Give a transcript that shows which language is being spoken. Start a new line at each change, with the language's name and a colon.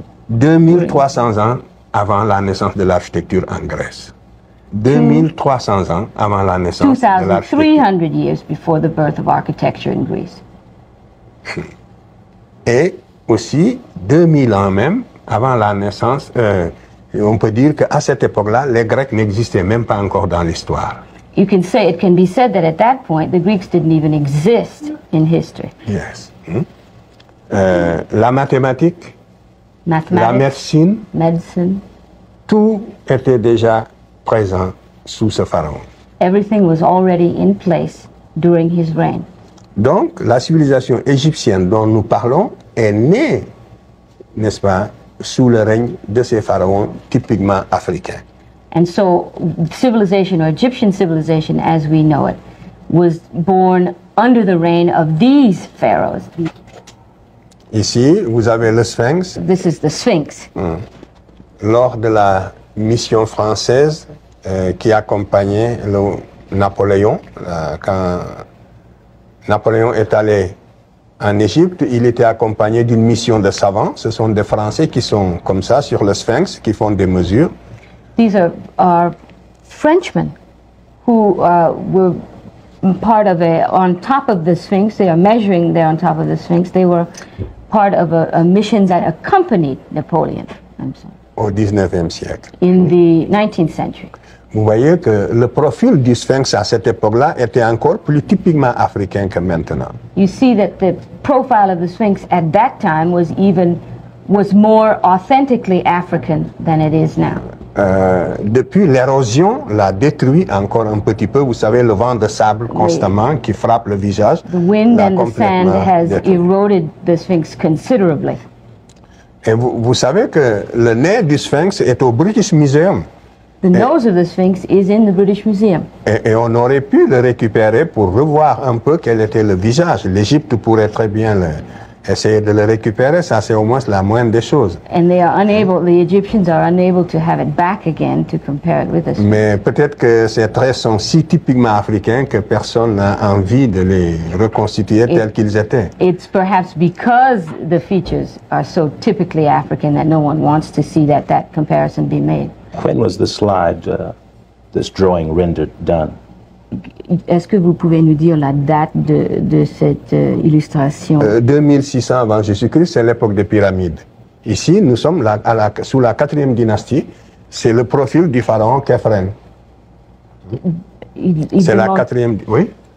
French: 2300 ans avant la naissance de l'architecture en Grèce. 2300 ans avant la naissance de l'architecture.
English: 2300 years before the birth of architecture in Greece.
French: Et aussi 2000 ans même avant la naissance, on peut dire qu'à cette époque-là, les Grecs n'existaient même pas encore dans l'histoire.
English: You can say, it can be said that at that point, the Greeks didn't even exist in history. Yes.
French: La mathématique,
English: mathematics,
French: la médecine,
English: medicine,
French: tout était déjà présent sous ce pharaon.
English: Everything was already in place during his reign.
French: Donc, la civilisation égyptienne dont nous parlons est née, n'est-ce pas, sous le règne de ces pharaons typiquement africains.
English: And so, civilization, or Egyptian civilization as we know it, was born under the reign of these pharaohs.
French: Ici, vous avez le Sphinx.
English: This is the Sphinx.
French: Lors de la mission française qui accompagnait le Napoléon, quand Napoléon est allé en Égypte, il était accompagné d'une mission de savants. Ce sont des Français qui sont comme ça sur le Sphinx, qui font des mesures.
English: These are Frenchmen who were part of on top of the Sphinx. They are measuring there on top of the Sphinx. They were part of a mission that accompanied Napoleon.
French: Au 19e siècle.
English: In the 19th century.
French: Vous voyez que le profil du Sphinx à cette époque-là était encore plus typiquement africain que maintenant.
English: You see that the profile of the Sphinx at that time was more authentically African than it is now.
French: Depuis l'érosion, l'a détruit encore un petit peu. Vous savez, le vent de sable constamment qui frappe le visage.
English: The wind and the sand has eroded the sphinx considerably.
French: Et vous savez que le nez du sphinx est au British Museum.
English: The nose of the sphinx is in the British Museum.
French: Et on aurait pu le récupérer pour revoir un peu quel était le visage. L'Égypte pourrait très bien le essayer de le récupérer, ça c'est au moins la moindre des choses.
English: And they are unable, the Egyptians are unable to have it back again to compare it with us.
French: Mais peut-être que ces traits sont si typiquement africains que personne n'a envie de les reconstituer tels qu'ils étaient.
English: It's perhaps because the features are so typically African that no one wants to see that comparison be made. When was the slide, this drawing rendered, done?
French: Est-ce que vous pouvez nous dire la date de cette illustration? 2600 avant Jésus-Christ, c'est l'époque des pyramides. Ici, nous sommes sous la 4e dynastie, c'est le profil du pharaon Khéphren. C'est la 4e, oui?